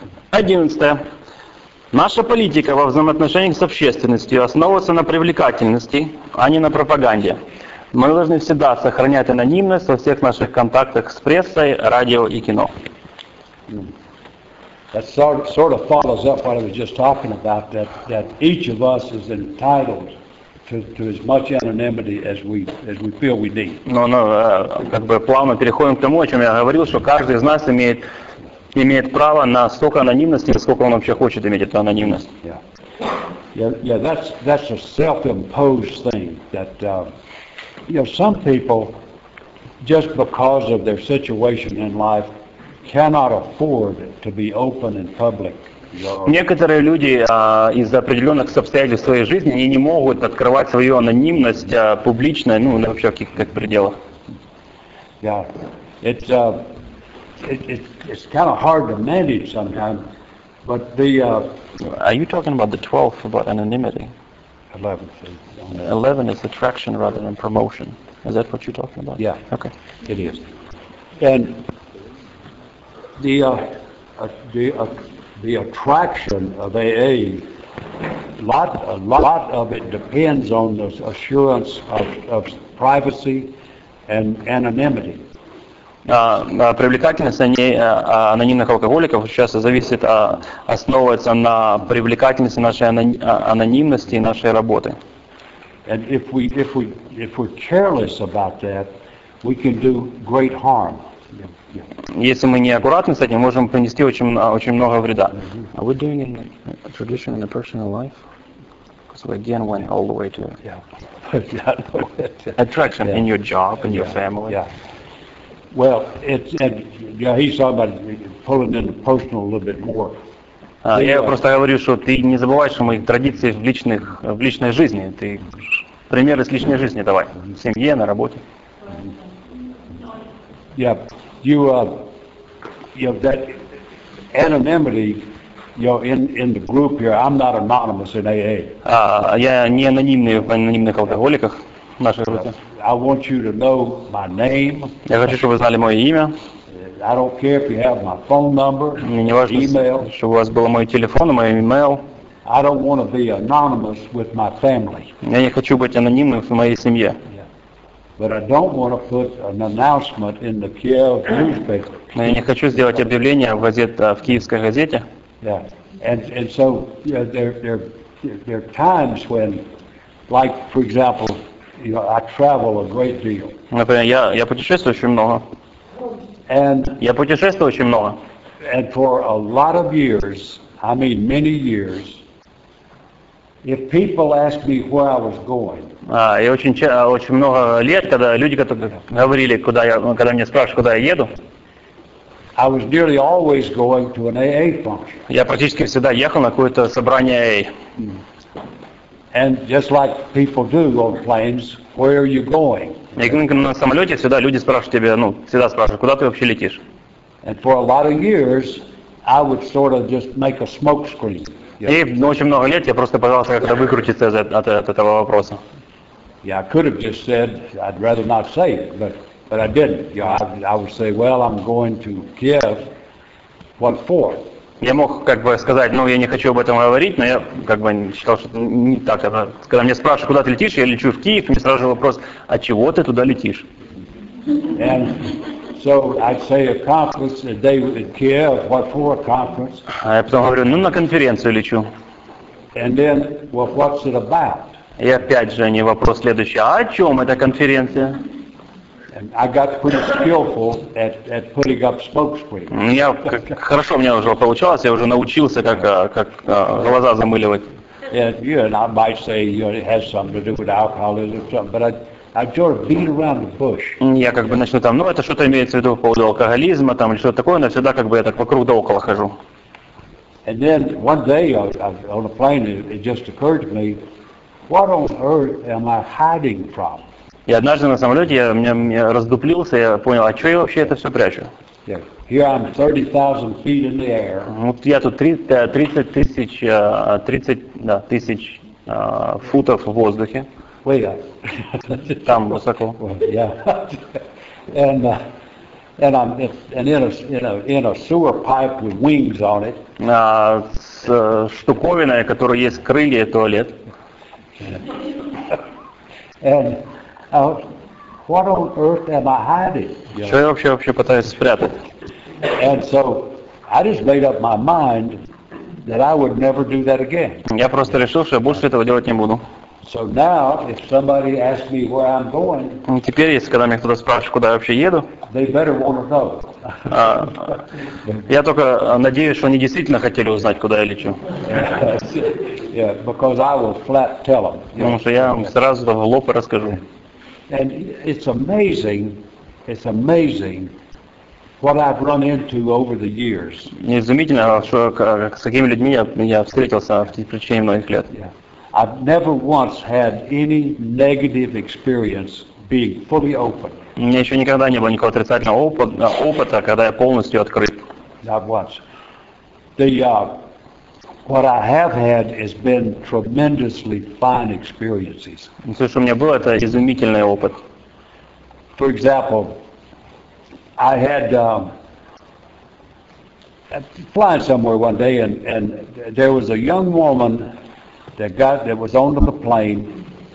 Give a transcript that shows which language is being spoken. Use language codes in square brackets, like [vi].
[ru] Одиннадцатое. Наша политика во взаимоотношениях с общественностью основывается на привлекательности, а не на пропаганде. Мы должны всегда сохранять анонимность во всех наших контактах с прессой, радио и кино. [en] That sort of follows up what I was just talking about, that each of us is entitled to as much anonymity as we feel we need. [ru] Плавно переходим к тому, о чем я говорил, что каждый из нас имеет право на столько анонимности, сколько он вообще хочет иметь эту анонимность. [en] Yeah, that's a self-imposed thing. That some people, just because of their situation in life, cannot afford to be open and public. [ru] Некоторые люди из-за определенных обстоятельств своей жизни они не могут открывать свою анонимность публично, вообще в каких-то пределах. [en] Yeah, it's kind of hard to manage sometimes. But the are you talking about the 12th, about anonymity? 11th. 11 is attraction rather than promotion. Is that what you're talking about? Yeah. Okay. It is. And the attraction of AA, a lot of it depends on the assurance of privacy and anonymity. [ru] Привлекательность анонимных алкоголиков сейчас зависит, основывается на привлекательности нашей анонимности и нашей работы. [en] And if we're careless about that, we can do great harm. [ru] Если мы неаккуратны с этим, можем принести очень много вреда. [en] Are we doing in a tradition in a personal life? Because we again went all the way to attraction in your job, in your family. Yeah. Well, he's talking about pulling in the personal a little bit more. [ru] Я просто говорю, что ты не забываешь о моих традициях в личной жизни. Ты пример из личной жизни давай. В семье, на работе. [en] Yeah. You have that anonymity, in the group here. I'm not anonymous in AA. [ru] Я не анонимный в анонимных алкоголиках в нашей группе. [en] I want you to know my name. [ru] Я хочу, чтобы вы знали мое имя. [en] I don't care if you have my phone number, [ru] мне не важно, [en] email. [ru] Чтобы у вас был мой телефон, мой email. [en] I don't want to be anonymous with my family. [ru] Я не хочу быть анонимным в моей семье. [en] But I don't want to put an announcement in the Kiev newspaper. [ru] Но я не хочу сделать объявление в киевской газете. [en] Yeah, and so yeah, there are times when, like for example, I travel a great deal. [ru] Например, я путешествую очень много. [en] And for a lot of years, I mean many years. If people ask me where I was going. [ru] И очень много лет, когда люди говорили, когда мне спрашивают, куда я еду. [en] I was nearly always going to an AA function. [ru] Я практически всегда ехал на какое-то собрание AA. [en] And just like people do on planes, where are you going? [ru] На самолете всегда люди спрашивают тебя, всегда спрашивают, куда ты вообще летишь. [en] And for a lot of years, I would sort of just make a smoke screen. Yep. [ru] И очень много лет я просто пытался как-то выкрутиться от этого вопроса. [en] Yeah, I could have just said I'd rather not say it, but I didn't. I would say, well, I'm going to Kiev. What for? [ru] Я мог как бы сказать, я не хочу об этом говорить, но я как бы считал, что не так. Когда мне спрашивают, куда ты летишь, я лечу в Киев, мне сразу же вопрос, а чего ты туда летишь? [en] And so I'd say a conference, a day in Kiev, what for a conference? [ru] А я потом говорю, на конференцию лечу. [en] And then, well, what's it about? [ru] И опять же, не вопрос следующий, а о чем эта конференция? [en] And I got pretty skillful at putting up smoke screens. [ru] Я хорошо, у меня уже получалось, я уже научился как глаза замыливать. [en] And I might say it has something to do with alcoholism or something, but I sort of beat around the bush. [ru] Я как бы начну это что-то имеется в виду по поводу алкоголизма, или что-то такое, но всегда как бы я так вокруг да около хожу. [en] And then one day on a plane it just occurred to me, what on earth am I hiding from? [ru] И однажды на самолете я раздуплился, я понял, а что я вообще это все прячу? [en] Yeah. Here I'm 30,000 feet in the air. [ru] Вот я тут 30 тысяч футов в воздухе. [en] Way up. [ru] Там высоко. [en] Yeah. And in a sewer pipe with wings on it. [ru] С штуковиной, которая есть крылья, туалет. [en] And what on earth am I hiding? [ru] Что я вообще пытаюсь спрятать? [en] And so I just made up my mind that I would never do that again. [ru] Я просто решил, что я больше этого делать не буду. [en] So now, if somebody asks me where I'm going, [ru] теперь, если когда меня кто-то спрашивает, куда я вообще еду, [en] they better want to know. [ru] Я только надеюсь, что они действительно хотели узнать, куда я лечу. [en] Yeah, because I will flat tell them. [ru] Потому что я им сразу в лоб расскажу. [en] And it's amazing what I've run into over the years. [ru] Изумительно, что с какими людьми я встретился в течение многих лет. [en] I've never once had any negative experience being fully open. [ru] У меня еще никогда не было никакого отрицательного опыта, когда я полностью открыт. [en] Not once. The What I have had has been tremendously fine experiences. [ru] Все, что у меня было, это изумительный опыт. [en] For example, I had flying somewhere one day, and there was a young woman that was on the plane.